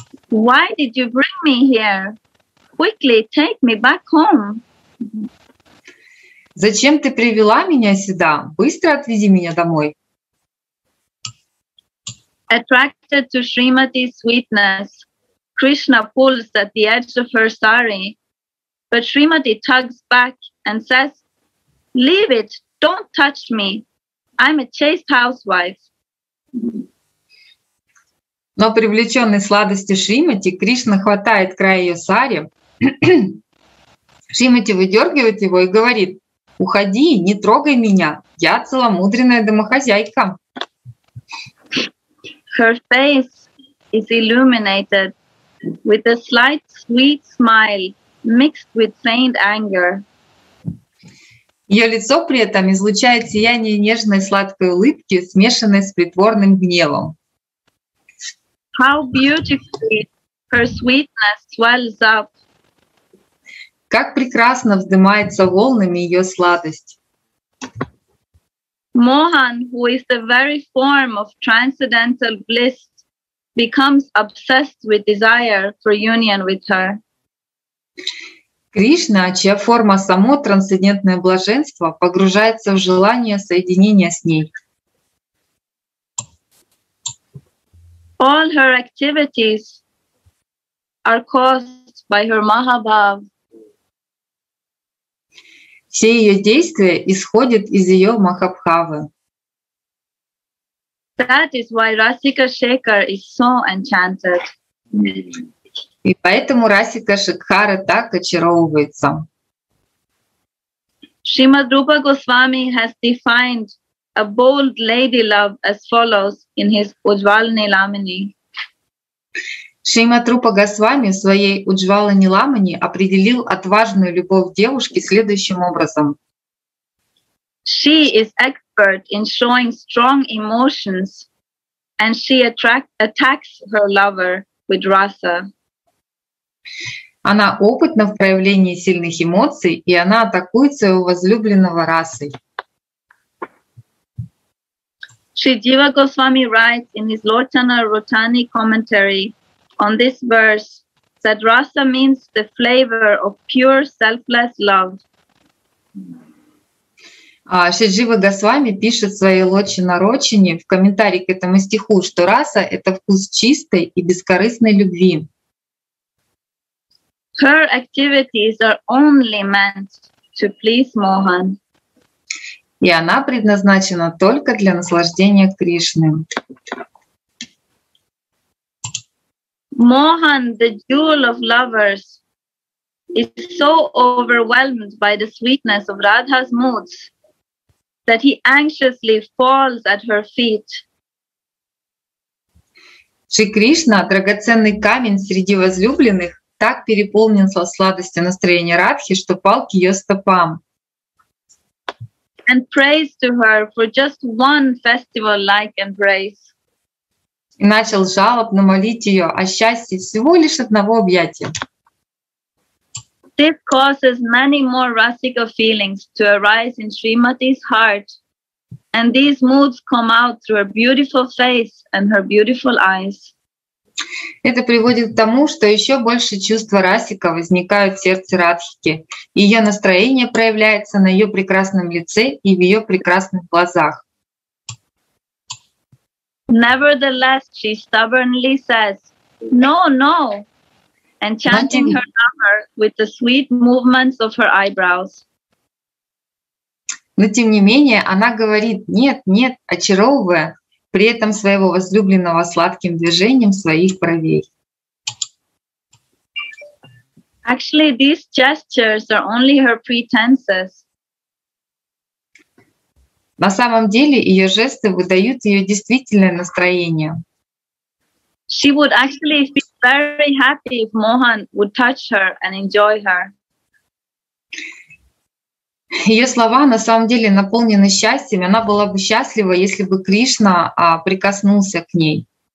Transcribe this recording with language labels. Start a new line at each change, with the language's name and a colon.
English: Why did you bring me here? Quickly take me back home.
Russian: Зачем ты привела меня сюда? Быстро отвези меня домой.
English: Attracted to Srimati's sweetness, Krishna pulls at the edge of her sari. But Srimati tugs back and says, leave it, don't touch me. I'm a chaste housewife.
Russian: Но привлеченный сладостью Шримати, Кришна хватает край ее сари. Шримати выдергивает его и говорит, уходи, не трогай меня, я целомудренная домохозяйка.
English: Her face is illuminated with a slight sweet smile mixed with faint anger.
Russian: Ее лицо при этом излучает сияние нежной сладкой улыбки, смешанной с притворным гневом.
English: How beautifully her sweetness swells up.
Russian: Как прекрасно вздымается волнами ее сладость.
English: Mohan, who is the very form of transcendental bliss, becomes obsessed with desire for union with her.
Russian: Кришна, чья форма само трансцендентное блаженство, погружается в желание соединения с ней.
English: All her activities are caused by her Mahabhav.
Russian: Все ее действия исходят из ее Махабхавы.
English: That is why Rasika Shekhar is so enchanted.
Russian: И поэтому Расика Шекхара так очаровывается.
English: Шримад Рупа Госвами has defined a bold lady love as follows in his Ujjvalini Lamini.
Russian: Шримад Рупа Госвами в своей Уджвала Ниламани определил отважную любовь девушки следующим образом.
English: She is expert in showing strong emotions, and she attacks her lover with rasa.
Russian: Она опытна в проявлении сильных эмоций, и она атакует своего возлюбленного расой.
English: Shri Jiva Goswami writes in his Lotana Rotani commentary on this verse that rasa means the flavor of pure selfless love.
Russian: Шри Джива Госвами пишет в своей Лочина-Рочине в комментарии к этому стиху, что раса — это вкус чистой и бескорыстной любви.
English: Her activities are only meant to please Mohan.
Russian: И она предназначена только для наслаждения Кришны.
English: Mohan, the jewel of lovers, is so overwhelmed by the sweetness of Radha's moods that he anxiously falls at her feet.
Russian: Шри Кришна, драгоценный камень среди возлюбленных, так переполнен со сладостью настроения Радхи, что пал к ее стопам.
English: And prays to her for just one festival-like embrace.
Russian: И начал жалобно молить ее о счастье всего лишь одного объятия.
English: This causes many more rasika feelings to arise in Srimati's heart, and these moods come out through her beautiful face and her beautiful eyes.
Russian: Это приводит к тому, что еще больше чувства расика возникают в сердце Радхики, и ее настроение проявляется на ее прекрасном лице и в ее прекрасных глазах.
English: Nevertheless, she stubbornly says, "No, no." And chanting her lover with the sweet movements of her eyebrows.
Russian: Но тем не менее она говорит нет, нет, очаровывая при этом своего возлюбленного сладким движением своих бровей.
English: Actually, these gestures are only her pretenses.
Russian: На самом деле ее жесты выдают ее действительное настроение.
English: She would actually feel very happy if Mohan would touch her and enjoy her.
Russian: Ее слова на самом деле наполнены счастьем. Она была бы счастлива, если бы Кришна прикоснулся к ней.